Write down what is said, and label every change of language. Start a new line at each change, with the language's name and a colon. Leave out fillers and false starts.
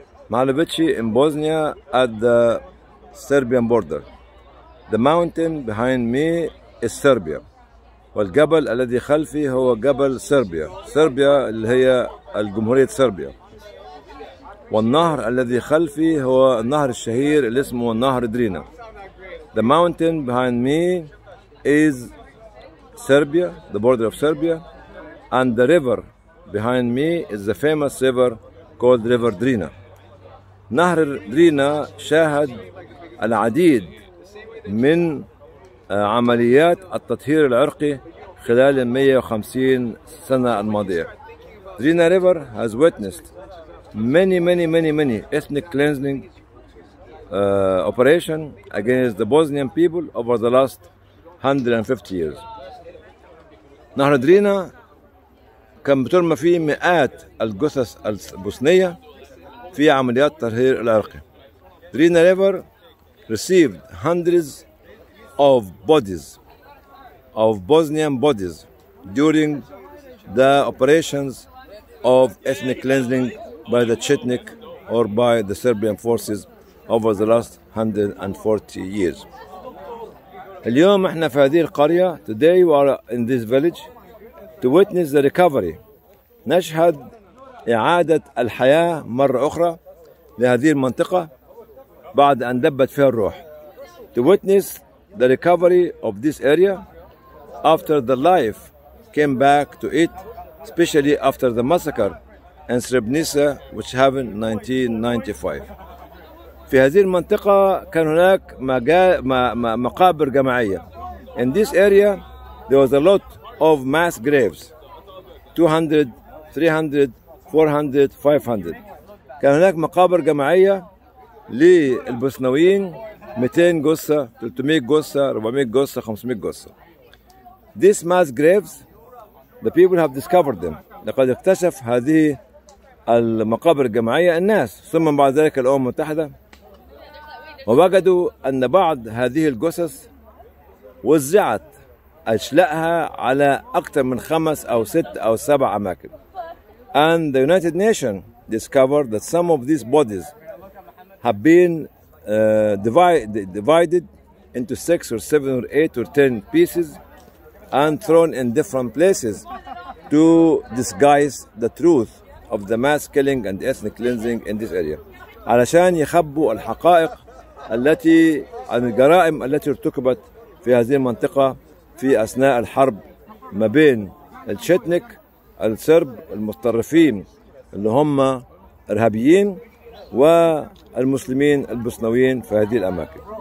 English: Mahalovichi in Bosnia at the Serbian border. The mountain behind me is Serbia.
Arabic: والجبل الذي خلفي هو جبل صربيا. صربيا اللي هي الجمهورية صربيا. والنهر الذي خلفي هو النهر الشهير اللي اسمه نهر درينا.
English: The mountain behind me is Serbia, the border of Serbia. And the river behind me is the famous river called River Drina.
Arabic: نهر درينا شاهد العديد من عمليات التطهير العرقي خلال 150 سنة الماضية.
English: Drina River has witnessed many ethnic cleansing operation against the Bosnian people over the last 150 years.
Arabic: نهر درينا كان بترمى فيه مئات الجثث البوسنية في عمليات التطهير العرقي.
English: Drina River received hundreds of bodies of Bosnian bodies during the operations of ethnic cleansing by the Chetnik or by the Serbian forces over the last 140 years.
Arabic: اليوم احنا في هذه القرية.
English: Today we are in this village to witness the recovery.
Arabic: نشهد إعادة الحياة مرة أخرى لهذه المنطقة بعد أن دبت فيها الروح.
English: To witness the recovery of this area after the life came back to it, especially after the massacre in Srebrenica, which happened in 1995.
Arabic: في هذه المنطقة كان هناك مقابر جماعية.
English: In this area, there was a lot of mass graves, 200, 300, 400, 500.
Arabic: كان هناك مقابر جماعية للبوسنويين 200 جثة, 300 جثة, 400 جثة, 500 جثة.
English: These mass graves, the people have discovered them.
Arabic: لقد اكتشف هذه المقابر الجماعية الناس, ثم بعد ذلك الأمم المتحدة, ووجدوا أن بعض هذه الجثث وزعت أشلائها على أكثر من خمس أو ست أو سبع أماكن.
English: And the United Nations discovered that some of these bodies have been divided into six or seven or eight or ten pieces and thrown in different places to disguise the truth of the mass killing and ethnic cleansing in this area.
Arabic: علشان يخبوا الحقائق التي عن الجرائم التي ارتكبت في هذه المنطقة في أثناء الحرب ما بين الشتنك الصرب المتطرفين اللي هم إرهابيين والمسلمين البوسنويين في هذه الأماكن.